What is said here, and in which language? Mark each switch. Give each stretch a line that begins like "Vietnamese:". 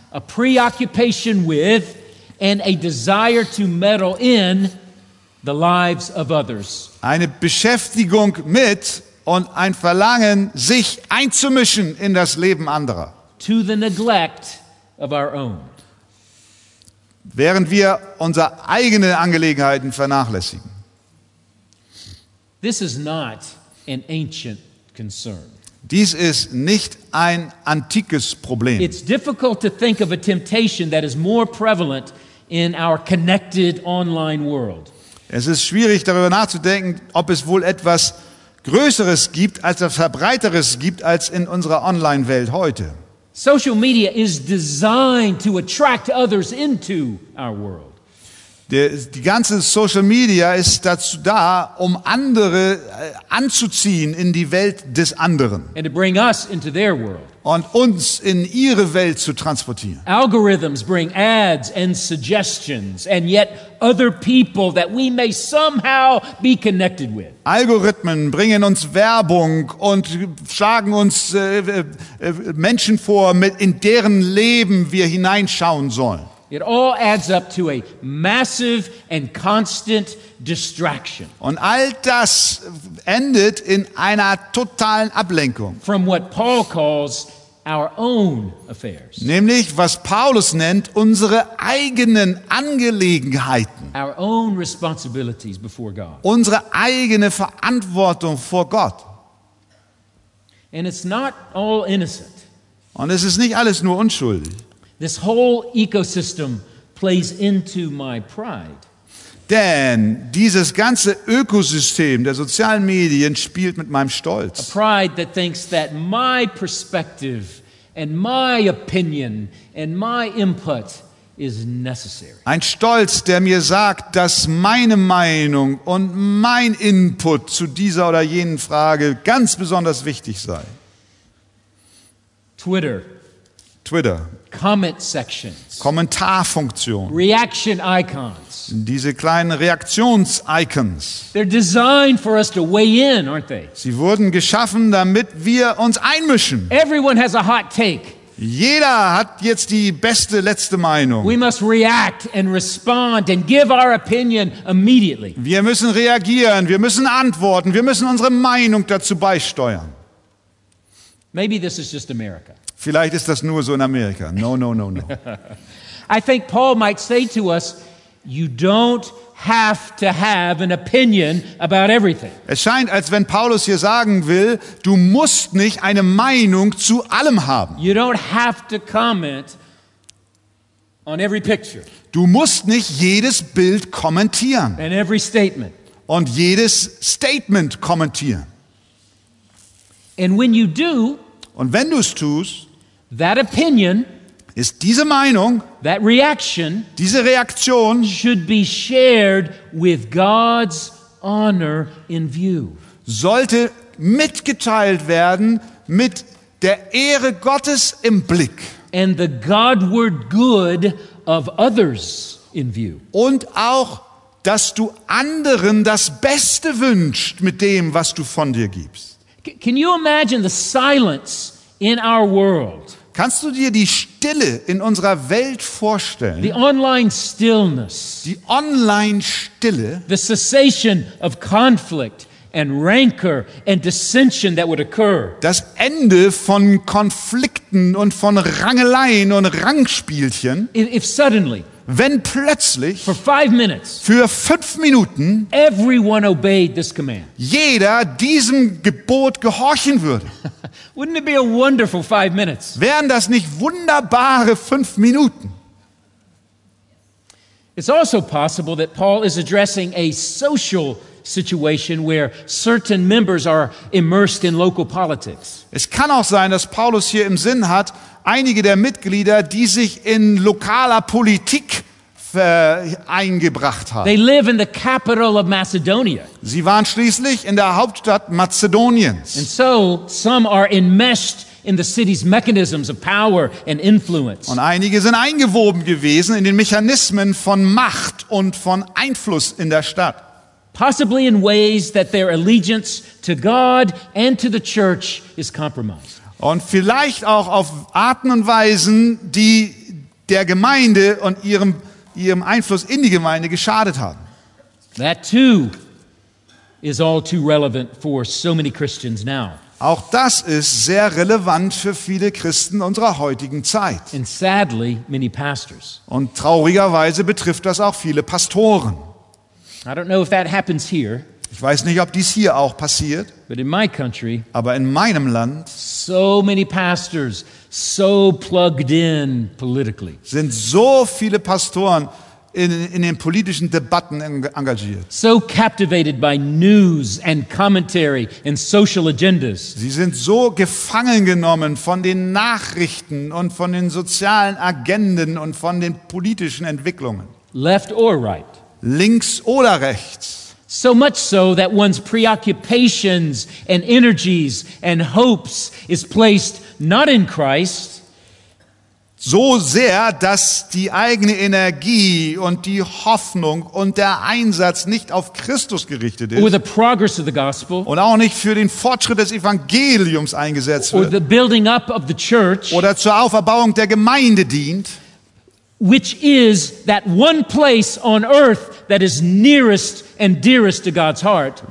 English: A preoccupation with and a desire to meddle in the lives of others.
German: Eine Beschäftigung mit und ein Verlangen, sich einzumischen in das Leben anderer.
English: To the neglect of our own.
German: Während wir unsere eigenen Angelegenheiten vernachlässigen.
English: This is not an ancient concern.
German: Dies ist nicht ein antikes Problem.
English: It's difficult to think of a temptation that is more prevalent in our connected online world.
German: Es ist schwierig darüber nachzudenken, ob es wohl etwas Größeres gibt, als etwas Verbreiteres gibt, als in unserer Online-Welt heute.
English: Social media is designed to attract others into our world.
German: Die ganze Social Media ist dazu da, um andere anzuziehen in die Welt des anderen.
English: And to bring us into their world.
German: Und uns in ihre Welt zu transportieren.
English: Algorithms bring ads and suggestions, and yet other people that we may somehow be connected with.
German: Algorithmen bringen uns Werbung und schlagen uns Menschen vor, in deren Leben wir hineinschauen sollen.
English: It all adds up to a massive and constant distraction.
German: Und all das endet in einer totalen Ablenkung.
English: From what Paul calls our own affairs.
German: Nämlich, was Paulus nennt, unsere eigenen Angelegenheiten.
English: Our own responsibilities before God.
German: Unsere eigene Verantwortung vor Gott.
English: And it's not all innocent.
German: Und es ist nicht alles nur unschuldig.
English: This whole ecosystem plays into my pride.
German: Denn dieses ganze Ökosystem der sozialen Medien spielt mit meinem Stolz.
English: A pride that thinks that my perspective and my opinion and my input is necessary.
German: Ein Stolz, der mir sagt, dass meine Meinung und mein Input zu dieser oder jenen Frage ganz besonders wichtig sei.
English: Twitter. Comment sections.
German: Kommentarfunktion.
English: Reaction icons.
German: Diese kleinen Reaktions-Icons.
English: They're designed for us to weigh in, aren't they?
German: Sie wurden geschaffen, damit wir uns einmischen.
English: Everyone has a hot take.
German: Jeder hat jetzt die beste letzte Meinung.
English: We must react and respond and give our opinion immediately.
German: Wir müssen reagieren, wir müssen antworten, wir müssen unsere Meinung dazu beisteuern.
English: Maybe this is just America.
German: Vielleicht ist das nur so in Amerika.
English: No. I think Paul might say to us, you don't have to have an opinion about everything.
German: Es scheint, als wenn Paulus hier sagen will, du musst nicht eine Meinung zu allem haben.
English: You don't have to comment on every picture.
German: Du musst nicht jedes Bild kommentieren.
English: And every statement.
German: Und jedes Statement kommentieren.
English: And when you do,
German: und wenn du es tust,
English: that opinion,
German: ist diese Meinung,
English: that reaction,
German: diese Reaktion,
English: should be shared with God's honor in view.
German: Sollte mitgeteilt werden mit der Ehre Gottes im Blick.
English: And the Godward good of others in view.
German: Und auch, dass du anderen das Beste wünschst mit dem, was du von dir gibst.
English: Can you imagine the silence in our world?
German: Kannst du dir die Stille in unserer Welt vorstellen?
English: The online stillness.
German: Die Online-Stille.
English: The cessation of conflict and rancor and dissension that would occur.
German: Das Ende von Konflikten und von Rangeleien und Rangspielchen.
English: If suddenly,
German: wenn plötzlich,
English: for 5 minutes,
German: für 5 Minuten,
English: everyone obeyed this command.
German: Jeder diesem Gebot gehorchen würde.
English: Wouldn't it be a wonderful 5 minutes?
German: Wären das nicht wunderbare 5 Minuten?
English: It's also possible that Paul is addressing a social situation where certain members are immersed in local politics.
German: Es kann auch sein, dass Paulus hier im Sinn hat, einige der Mitglieder, die sich in lokaler Politik eingebracht haben.
English: They live in the capital of Macedonia.
German: Sie waren schließlich in der Hauptstadt Mazedoniens.
English: And so some are enmeshed in the city's mechanisms of power and influence.
German: Und einige sind eingewoben gewesen in den Mechanismen von Macht und von Einfluss in der Stadt.
English: Possibly in ways that their allegiance to God and to the church is compromised.
German: Und vielleicht auch auf Arten und Weisen, die der Gemeinde und ihrem Einfluss in die Gemeinde geschadet haben.
English: That too is all too relevant for so many Christians now.
German: Auch das ist sehr relevant für viele Christen unserer heutigen Zeit.
English: And sadly, many pastors.
German: Und traurigerweise betrifft das auch viele Pastoren.
English: I don't know if that happens here.
German: Ich weiß nicht, ob dies hier auch passiert.
English: But in my country,
German: aber in meinem Land,
English: so many pastors so plugged in politically.
German: Sind so viele Pastoren in den politischen Debatten engagiert.
English: So captivated by news and commentary and social agendas.
German: Sie sind so gefangen genommen von den Nachrichten und von den sozialen Agenden und von den politischen Entwicklungen.
English: Left or right.
German: Links oder rechts.
English: So much so that one's preoccupations and energies and hopes is placed not in Christ.
German: So sehr, dass die eigene Energie und die Hoffnung und der Einsatz nicht auf Christus gerichtet ist.
English: Or the progress of the gospel.
German: Und auch nicht für den Fortschritt des Evangeliums eingesetzt wird.
English: Or the building up of the church.
German: Oder zur Auferbauung der Gemeinde dient.
English: Which is that one place on earth that is nearest and dearest to God's heart.